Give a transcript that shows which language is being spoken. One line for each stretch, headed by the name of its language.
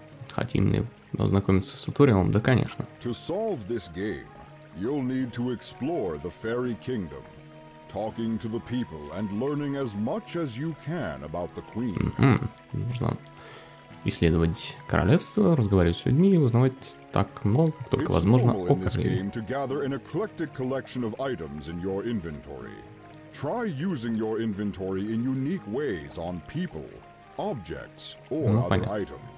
Russian: Хотим ли познакомиться с туториалом? Да, конечно.
English: To solve this game, you'll need to explore the fairy kingdom. Talking to the people and learning as much as you can about the queen.
Russian: Mm-hmm. Нужно исследовать королевство, разговаривать с людьми и узнавать так много, как только возможно, о короле. Ну, понятно.